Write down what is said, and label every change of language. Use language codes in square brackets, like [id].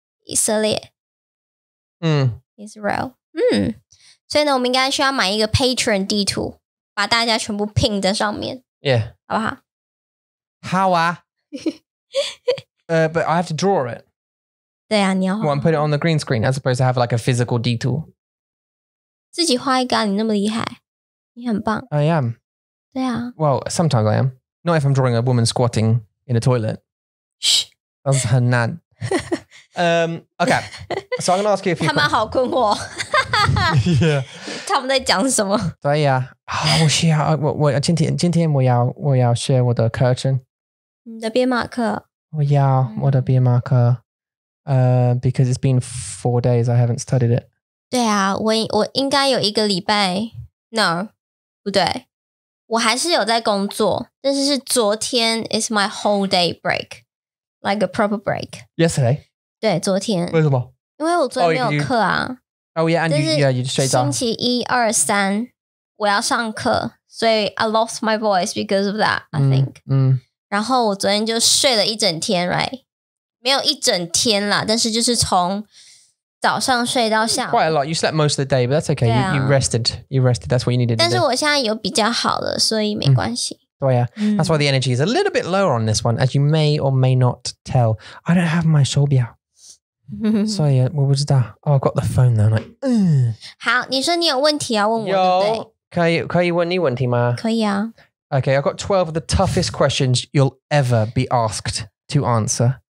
[zh] 以色列，Israel， 所以呢，我们应该需要买一个 Patron 地图，把大家全部拼在上面 [en] ，Yeah， [zh] 好不好？好啊， [en] but I have to draw it. [zh] 对啊，你要画。 [en] Well, and put it on the green screen as opposed to have like a physical detour. [zh] 自己画一个，你那么厉害，你很棒。 [en] I am. [zh] 对啊。 [en] Well, sometimes I am. Not if I'm drawing a woman squatting in a toilet. Shh. That's her nan. okay. So I'm going to ask you a few questions. [zh] 他们好困惑。 [en] Yeah. [zh] 他们在讲什么？对啊。我需要，我今天我要 share 我的 curtain. 你的编码课。我要我的编码课。 [en] Because it's been 4 days, I haven't studied it. [zh] 对啊，我应该有一个礼拜。 No, 不对，我还是有在工作。但是昨天 [en] is my whole day break, like a proper break. Yesterday. [zh] 对，昨天。为什么？因为我昨天没有课啊。 [en] Oh yeah, and you just straight down. [zh] 星期一、二、三，我要上课，所以 [en] I lost my voice because of that. I think. [zh] 然后我昨天就睡了一整天 ，right? 没有一整天啦，但是就是从早上睡到下午。 [en] Quite a lot. You slept most of the day, but that's okay.、啊、 You rested. That's what you needed. [zh] 但是我现在有比较好了，所以没关系。对啊、 [en] That's why the energy is a little bit lower on this one, as you may or may not tell. I don't have my [zh] 手表，所以我不知道。 [en] Oh, I've got the phone though. Like, [zh] 好，你说你有问题要问我，对不对？可以问你问题吗？可以啊。 [en] Okay, I've got 12 of the toughest questions you'll ever be asked to answer.